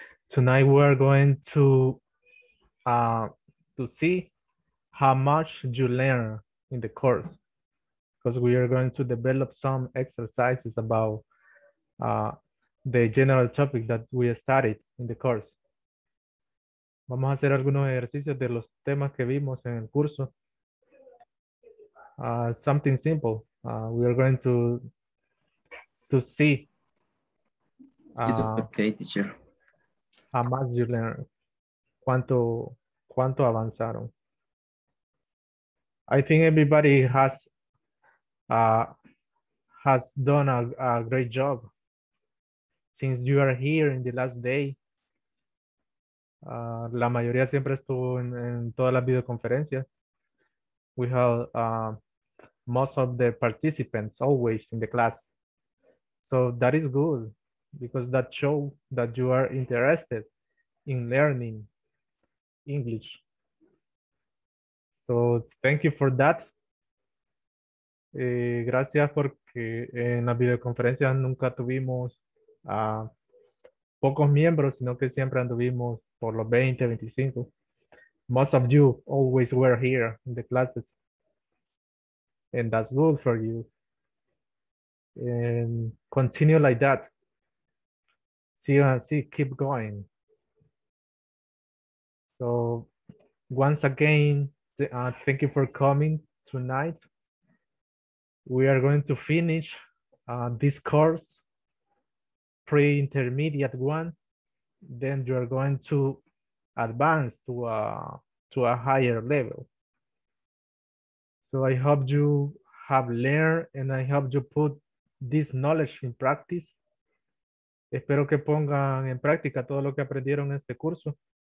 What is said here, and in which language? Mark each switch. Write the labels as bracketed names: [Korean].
[English] Tonight we're going to see how much you learn in the course, because we are going to develop some exercises about the general topic that we studied in the course. [Spanish] Vamos a hacer algunos ejercicios de los temas que vimos en el curso. [English] Something simple. We are going to see. It's okay, teacher. How much you learn? ¿Cuánto avanzaron? I think everybody has done a great job. Since you are here in the last day, la mayoría siempre estuvo en todas las videoconferencias. We have most of the participants always in the class. So that is good, because that show that you are interested in learning English. So thank you for that. [Spanish] Gracias porque en la videoconferencia nunca tuvimos pocos miembros, sino que siempre anduvimos por los 20, 25. [English] Most of you always were here in the classes. And that's good for you. And continue like that. See, keep going. So once again, thank you for coming tonight. We are going to finish this course, pre-intermediate one. Then you are going to advance to a higher level. So I hope you have learned, and I hope you put this knowledge in practice. [Spanish] Espero que pongan en práctica todo lo que aprendieron en este curso.